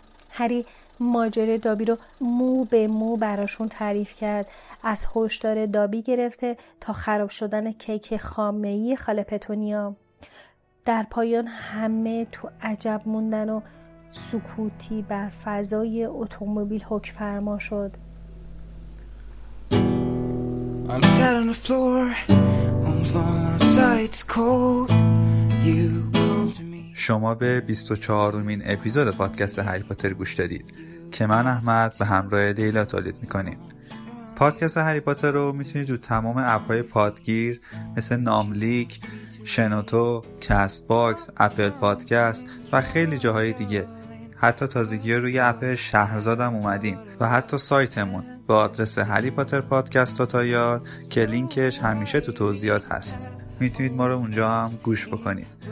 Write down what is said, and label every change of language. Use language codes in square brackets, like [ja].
[fa] هری ماجرای دابی رو مو به مو براشون تعریف کرد، از هشدار دابی گرفته تا خراب شدن کیک خامه‌ای خاله پتونیا. در پایان همه تو عجب موندن و سکوتی بر فضای اتومبیل حکم فرما شد. [en] I'm sat on the floor, I'm falling outside, it's cold. You come to me. [fa] شما به 24مین اپیزود پادکست هری پاتر گوش دادید که من احمد به همراه لیلا تولید میکنیم. پادکست هری پاتر رو میتونید تو تمام اپهای پادگیر مثل ناملیک، شنوتو، کست باکس، اپل پادکست و خیلی جاهای دیگه، حتی تازگی روی اپ شهرزاد هم اومدیم و حتی سایتمون با آدرس هری پاتر پادکست توتایار که لینکش همیشه تو توضیحات هست، میتونید ما رو اونجا هم گوش بکنید.